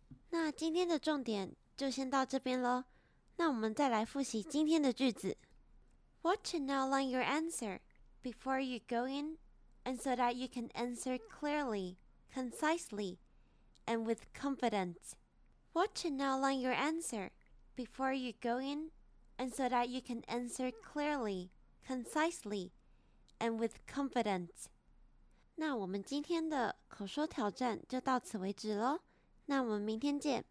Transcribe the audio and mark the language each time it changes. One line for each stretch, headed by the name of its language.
Chinese: 那今天的重点就先到这边咯，那我们再来复习今天的句子。
English: Watch and outline your answer before you go inAnd so that you can answer clearly, concisely, and with confidence. Watch and outline your answer before you go in, and so that you can answer clearly, concisely, and with confidence.
Chinese: 那我们今天的口说挑战就到此为止咯，那我们明天见。